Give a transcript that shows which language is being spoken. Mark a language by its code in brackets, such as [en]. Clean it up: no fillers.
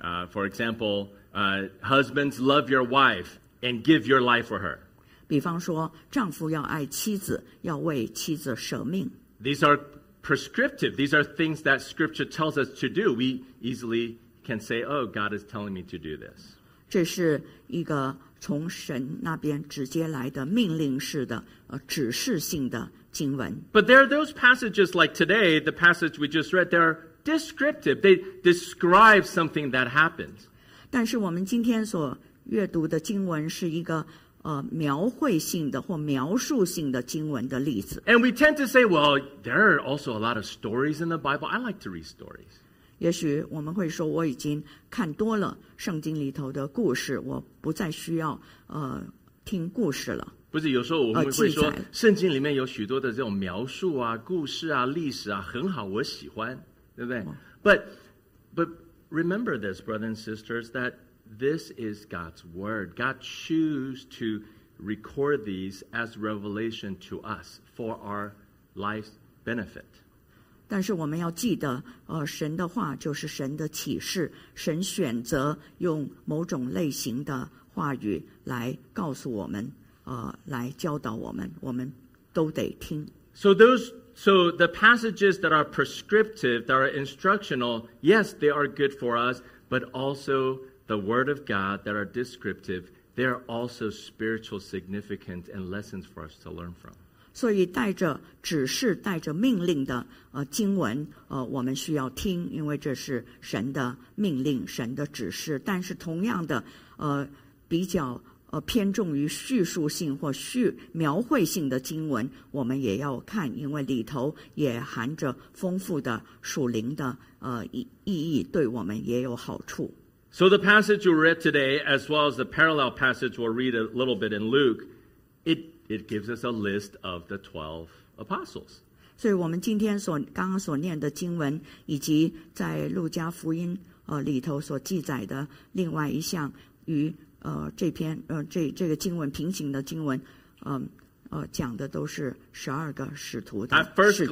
[en] For example, husbands, love your wife and give your life for her. [zh] 比方说丈夫要爱妻子要为妻子舍命。 [en] These areprescriptive. These are things that scripture tells us to do. We easily can say, oh, God is telling me to do this. [zh] 这是一个从神那边直接来的命令式的指示性的经文。 [en] But there are those passages like today, the passage we just read, they're descriptive. They describe something that happens. [zh] 但是我们今天所阅读的经文是一个描绘性的或描述性的经文的例子。 [en] And we tend to say, well, there are also a lot of stories in the Bible. I like to read stories. [zh] 也许我们会说，我已经看多了圣经里头的故事，我不再需要听故事了。不是，有时候我们会说，圣经里面有许多的这种描述啊、故事啊、历史啊，很好，我喜欢，对不对？ [en] But remember this, brothers and sisters, that. This is God's word. God chose to record these as revelation to us for our life's benefit. [zh] 但是我们要记得，神的话就是神的启示。神选择用某种类型的话语来告诉我们，来教导我们，我们都得听。 [en] So the passages that are prescriptive, that are instructional, yes, they are good for us, but also. The word of God that are descriptive, they are also spiritual significance and lessons for us to learn from. [zh] 所以带着指示、带着命令的经文，我们需要听，因为这是神的命令、神的指示。但是同样的，比较偏重于叙述性或叙描绘性的经文，我们也要看，因为里头也含着丰富的属灵的意义，对我们也有好处。 [en] So the passage we read today, as well as the parallel passage we'll read a little bit in Luke, it gives us a list of the 12 apostles. [zh] 所以我们今天所刚刚所念的经文，以及在路加福音里头所记载的另外一项与这篇这个经文平行的经文，讲的都是十二个使徒的事迹。